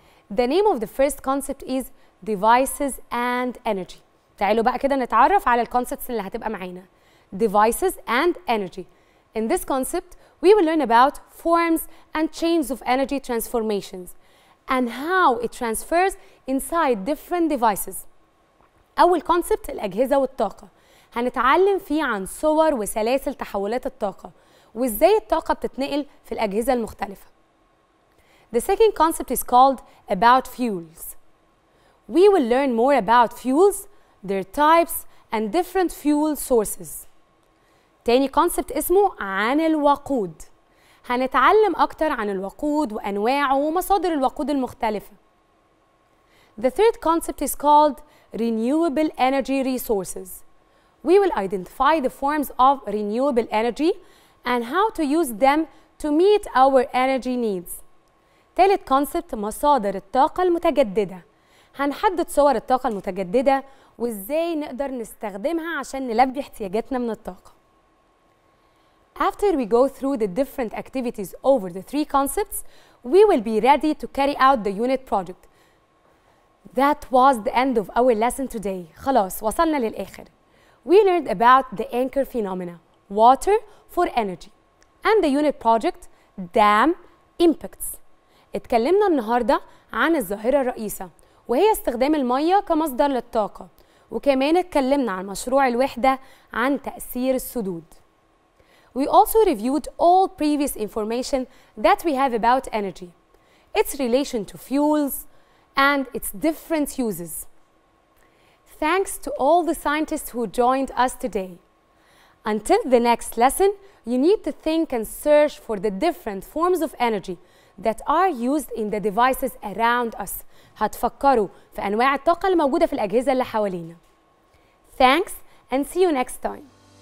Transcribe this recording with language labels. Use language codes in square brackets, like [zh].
[en] The name of the first concept is devices and energy. [ar] تعالوا بقى كده نتعرف على الكونسبتس اللي هتبقى معانا. [en] Devices and energy. In this concept, we will learn about forms and chains of energy transformations and how it transfers inside different devices. [ar] أول concept الأجهزة والطاقة. هنتعلم فيه عن صور وسلاسل تحولات الطاقة. وإزاي الطاقة بتتنقل في الأجهزة المختلفة. [en] The second concept is called about fuels. We will learn more about fuels, their types, and different fuel sources. [ar] تاني concept اسمه عن الوقود. هنتعلم أكتر عن الوقود وأنواعه ومصادر الوقود المختلفة. [en] The third concept is called renewable energy resources. We will identify the forms of renewable energy and how to use them to meet our energy needs. [ar] تالت concept مصادر الطاقة المتجددة. هنحدد صور الطاقة المتجددة وإزاي نقدر نستخدمها عشان نلبي احتياجاتنا من الطاقة. [en] After we go through the different activities over the three concepts, we will be ready to carry out the unit project. That was the end of our lesson today. [ar] خلاص وصلنا للآخر. [en] We learned about the anchor phenomena. Water for energy and the unit project dam impacts. [ar] اتكلمنا النهارده عن الظاهره الرئيسه وهي استخدام المية كمصدر للطاقة، وكمان اتكلمنا عن مشروع الوحدة عن تأثير السدود. [en] We also reviewed all previous information that we have about energy, its relation to fuels and its different uses. Thanks to all the scientists who joined us today. Until the next lesson, you need to think and search for the different forms of energy that are used in the devices around us. [ar] هتفكروا في أنواع الطاقة الموجودة في الأجهزة اللي حوالينا. [en] Thanks and see you next time.